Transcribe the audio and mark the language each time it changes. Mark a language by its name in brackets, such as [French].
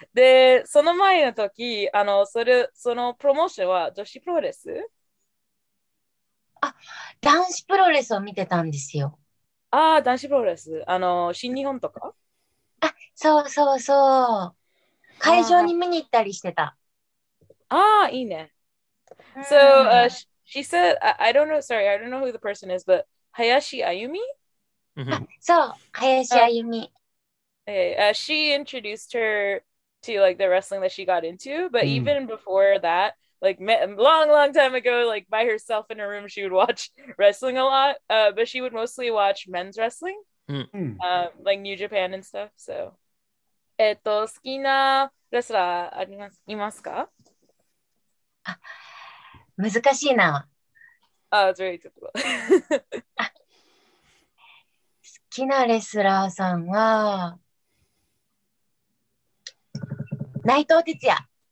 [Japanese] で、その前の時、あの、それ、そのプロモーションは女子プロレス？あ、男子プロレスを見てたんですよ。ああ、男子プロレス。あの、新日本とか？あ、そうそうそう。会場に見に行ったりしてた。ああ、いいね。 [English] So, she said, I don't know, sorry, I don't know who the person is, but 林あゆみ？ [Japanese] あ、そう、林あゆみ。 [English] She introduced her to like the wrestling that she got into, but even before that, like long time ago, like by herself in her room, she would watch wrestling a lot, but she would mostly watch men's wrestling, like New Japan and stuff. So, [Japanese] 好きなレスラーあります、いますか？あ、難しいな。 [English] あ、it's very difficult. [Japanese] 好きなレスラーさんは内藤哲也。